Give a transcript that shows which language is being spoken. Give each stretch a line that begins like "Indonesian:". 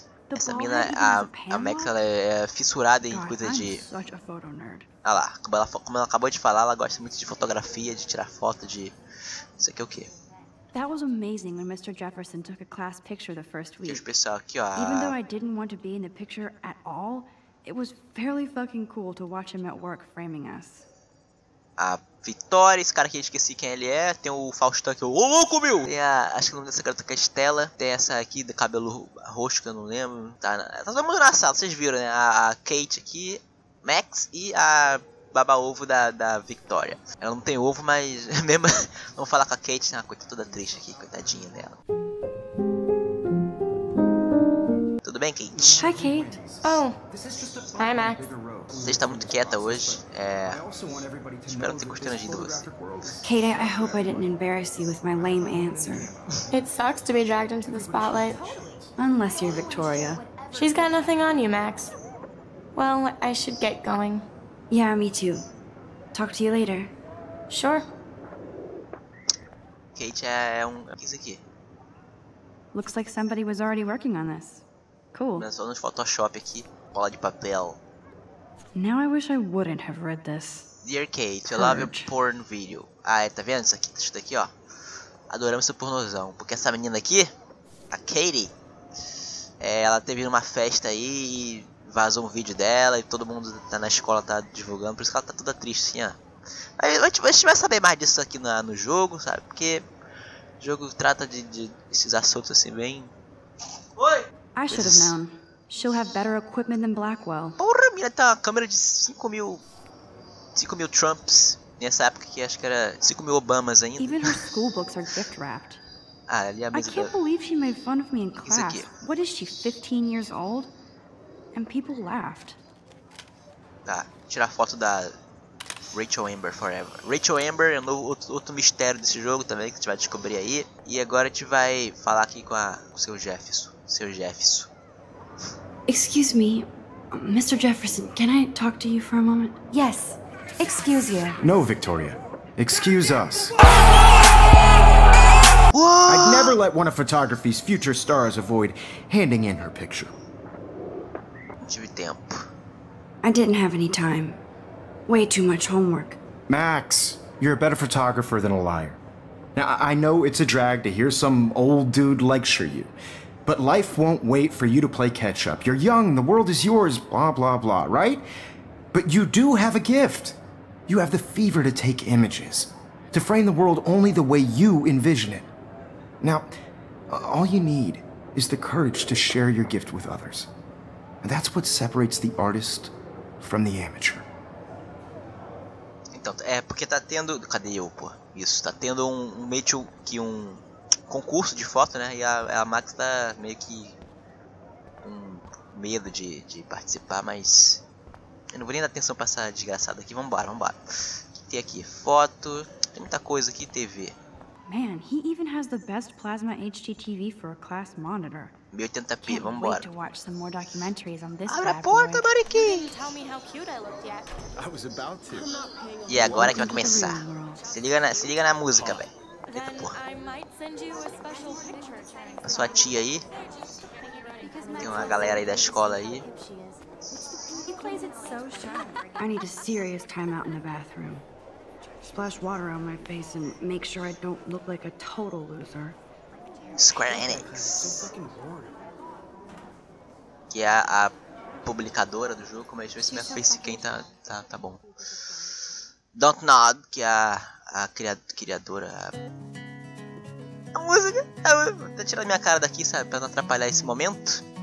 Portuguese: essa mina, a Max, ela é fissurada em coisa de... Olha lá, como ela acabou de falar, ela gosta muito de fotografia, de tirar foto, de... isso aqui é o quê?
English: That was amazing when Mr. Jefferson took a class picture the first week.
Portuguese: Que especial, que,
English: even though I didn't want to be in the picture at all, it was fairly fucking cool to watch him at work framing us.
Portuguese: A Vitória, esse cara que eu esqueci quem ele é, tem o Faustão aqui, ô louco, meu! Tem a, acho que o nome dessa garota que é Estela, tem essa aqui de cabelo roxo que eu não lembro, tá todo mundo na sala, vocês viram, né? A Kate aqui, Max e a Baba Ovo da Victoria. Ela não tem ovo, mas mesmo. Vamos falar com a Kate, né? Coitada toda triste aqui, coitadinha dela. Tudo bem, Kate?
English: Hi, Kate. Oh. Hi, Max.
Portuguese: Você está muito quieta hoje. É. Espero não ter constrangido você.
English: Kate, I hope I didn't embarrass you with my lame answer. It sucks to be dragged into the spotlight. Unless you're Victoria. She's got nothing on you, Max. Well, I should get going. Yeah, me too. Talk to you later. Sure.
Portuguese: Kate é um... o que é isso aqui?
English: Looks like somebody was already working on this. Cool.
Portuguese: Só no Photoshop aqui. Bola de papel.
English: Now I wish I wouldn't have read this. Dear Kate, Purge. I love your porn video.
Portuguese: Ah, tá vendo isso aqui? Isso daqui, ó. Adoramos seu pornozão. Porque essa menina aqui, a Katie, ela teve uma festa aí e... vazou um vídeo dela e todo mundo tá na escola tá divulgando, por isso que ela tá toda triste assim, ó. Aí a gente vai saber mais disso aqui no jogo, sabe? Porque o jogo trata de esses assuntos assim bem. Oi!
English: I should have known. She'll have better equipment than Blackwell.
Portuguese: Porra, mina, tá uma câmera de 5 mil Trumps nessa época que acho que era 5 mil Obamas ainda.
English: Even her school books are gift wrapped.
Portuguese: Ah, ali é a mesma.
English: I can't believe she made fun of me in class. What is she, 15 years old? And people laughed.
Portuguese: Tá, tirar foto da Rachel Amber Forever. Rachel Amber é outro mistério desse jogo também que a gente vai descobrir aí. E agora a gente vai falar aqui com o seu Jefferson. Seu Jefferson.
English: Excuse me, Mr. Jefferson, can I talk to you for a moment? Yes, excuse you. No, Victoria, excuse us. What? I'd never let one of photography's future stars avoid handing in her picture.
Portuguese: Tive tempo.
English: I didn't have any time. Way too much homework. Max, you're a better photographer than a liar. Now, I know it's a drag to hear some old dude lecture you, but life won't wait for you to play catch up. You're young, the world is yours, blah, blah, blah, right? But you do have a gift. You have the fever to take images, to frame the world only the way you envision it. Now, all you need is the courage to share your gift with others. And that's what separates the artist from the amateur.
Portuguese: Então, é porque tá tendo... cadê eu, pô? Isso, tá tendo um meio que um concurso de foto, né? E a Max tá meio que com medo de participar, mas... eu não vou nem dar atenção pra essa desgraçada aqui. Vambora, vambora. O que tem aqui? Foto... tem muita coisa aqui, TV.
English: Man, he even has the best plasma HDTV for a class monitor.
Portuguese: 1080p, vambora.
English: To watch some more documentaries on this.
Portuguese: Abre a porta, Mariki.
English: Tell me how cute I looked yet. I was about to.
Portuguese: E agora que vai começar. Se liga na música, velho. Eita porra.
English: I might send you a special picture.
Portuguese: A sua tia aí. Tem uma galera aí da escola aí.
English: He plays it so sharp. I need a serious time out in the bathroom. Splash water on my face and make sure I don't look like a total loser. Square Enix.
Portuguese: Que é a publicadora do jogo, mas deixa eu ver se minha facecam tá bom. Don't Nod, que é a criadora. A música. Tá tirando minha cara daqui, sabe? Pra não atrapalhar esse momento.